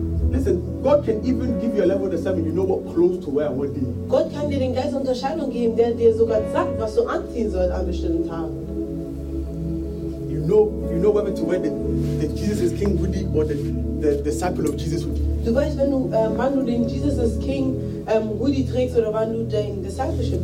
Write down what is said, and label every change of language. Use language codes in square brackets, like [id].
[en] Listen, God can even give you a level of discernment. You know what clothes to wear and what day. [de] Gott kann dir den Geist Unterscheidung geben, der dir sogar sagt, was du anziehen sollst an bestimmten Tagen. [en] You know whether to wear the Jesus is King hoodie or the disciple of Jesus hoodie. [de] Du weißt, wann du den Jesus is King hoodie trägst oder wann du dein Discipleship